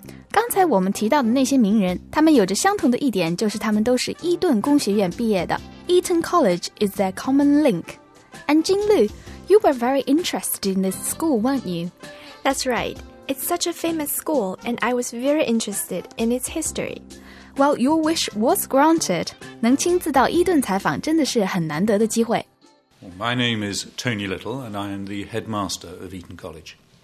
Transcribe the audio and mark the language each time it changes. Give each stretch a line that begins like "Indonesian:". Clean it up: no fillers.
Chinese: 刚才我们提到的那些名人，他们有着相同的一点，就是他们都是伊顿公学院毕业的。
English: Eton College is their common link. And Jin Lu, you were very interested in this school, weren't you? That's right. It's such a famous school, and I was very interested in its history. Well, your wish was granted.
Chinese: 能亲自到伊顿采访真的是很难得的机会。
English: My name is Tony Little, and I am the headmaster of Eton College.